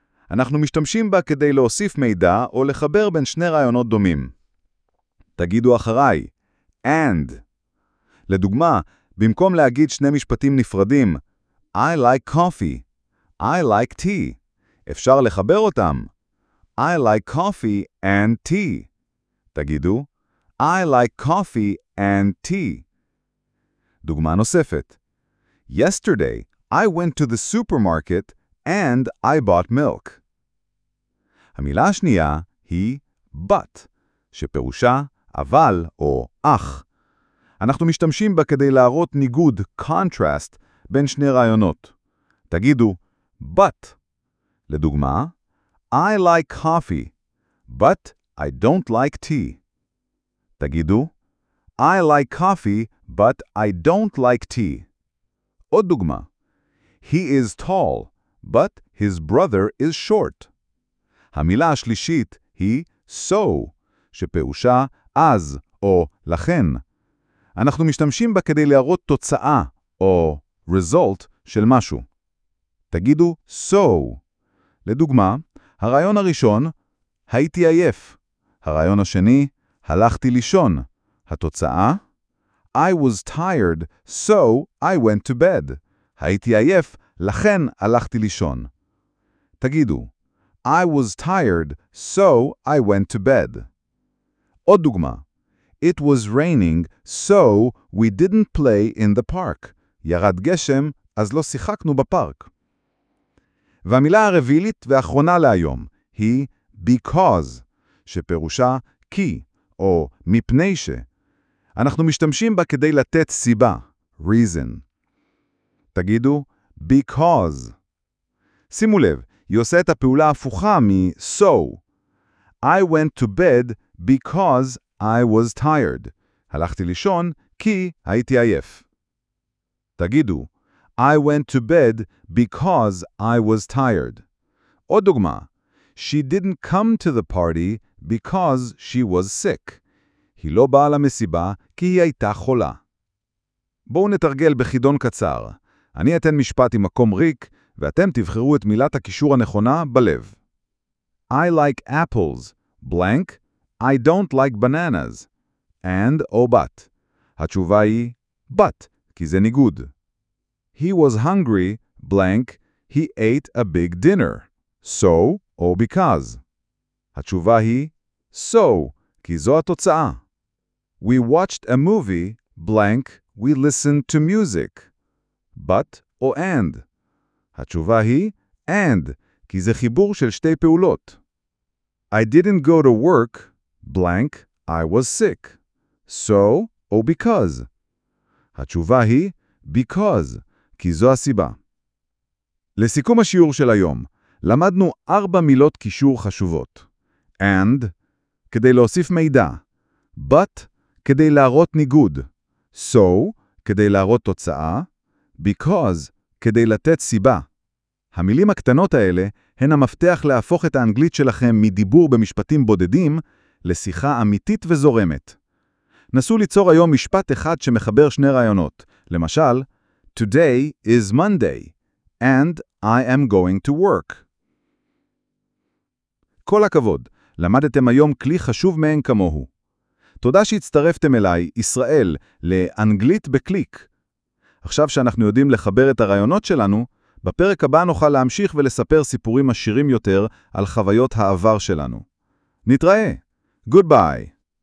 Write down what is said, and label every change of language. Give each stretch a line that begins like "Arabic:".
Hebrew: אנחנו משתמשים בה כדי להוסיף מידע או לחבר בין שני רעיונות דומים. תגידו אחריי, and. לדוגמה, במקום להגיד שני משפטים נפרדים,
English: I like coffee, I like tea,
Hebrew: אפשר לחבר אותם.
English: I like coffee and tea.
Hebrew: תגידו,
English: I like coffee and tea.
Hebrew: דוגמה נוספת.
English: Yesterday, I went to the supermarket and I bought milk.
Hebrew: המילה השנייה היא but, שפירושה אבל או אך. אנחנו משתמשים בה כדי להראות ניגוד, contrast, בין שני רעיונות. תגידו, but. לדוגמה,
English: I like coffee, but I don't like tea.
Hebrew: תגידו,
English: I like coffee, but I don't like tea.
Hebrew: עוד דוגמה,
English: He is tall, but his brother is short.
Hebrew: המילה השלישית היא so, שפירושה אז או לכן. אנחנו משתמשים בה כדי להראות תוצאה או result של משהו. תגידו so. לדוגמה, הרעיון הראשון, הייתי עייף. הרעיון השני, הלכתי לישון. התוצאה,
English: I was tired, so I went to bed.
Hebrew: הייתי עייף, לכן הלכתי לישון. תגידו,
English: I was tired, so I went to bed.
Hebrew: עוד דוגמה,
English: It was raining, so we didn't play in the park.
Hebrew: ירד גשם, אז לא שיחקנו בפארק. והמילה הרביעית והאחרונה להיום היא because, שפירושה כי או מפני ש. אנחנו משתמשים בה כדי לתת סיבה, reason. תגידו because. שימו לב, היא עושה את הפעולה הפוכה מ-so.
English: I went to bed because I was tired.
Hebrew: הלכתי לישון כי הייתי עייף. תגידו,
English: I went to bed because I was tired.
Hebrew: עוד דוגמה,
English: She didn't come to the party because she was sick.
Hebrew: היא לא באה למסיבה כי היא הייתה חולה. בואו נתרגל בחידון קצר. אני אתן משפט עם מקום ריק, ואתם תבחרו את מילת הקישור הנכונה בלב.
English: I like apples, blank, I don't like bananas, and or but.
Hebrew: התשובה היא but, כי זה ניגוד.
English: He was hungry, blank, he ate a big dinner, so or because.
Hebrew: התשובה היא so, כי זו התוצאה.
English: We watched a movie, blank, we listened to music, but or and.
Hebrew: התשובה היא and, כי זה חיבור של שתי פעולות.
English: I didn't go to work, blank, I was sick, so or because.
Hebrew: התשובה היא because, כי זו הסיבה. לסיכום השיעור של היום, למדנו ארבע מילות קישור חשובות. And, כדי להוסיף מידע. But, כדי להראות ניגוד. So, כדי להראות תוצאה. Because, כדי לתת סיבה. המילים הקטנות האלה הן המפתח להפוך את האנגלית שלכם מדיבור במשפטים בודדים לשיחה אמיתית וזורמת. נסו ליצור היום משפט אחד שמחבר שני רעיונות. למשל,
English: Today is Monday, and I am going to work.
Hebrew: כל הכבוד, למדתם היום כלי חשוב מעין כמוהו. תודה שהצטרפתם אליי, ישראל, לאנגלית בקליק. עכשיו שאנחנו יודעים לחבר את הרעיונות שלנו, בפרק הבא נוכל להמשיך ולספר סיפורים עשירים יותר על חוויות העבר שלנו. נתראה! Goodbye.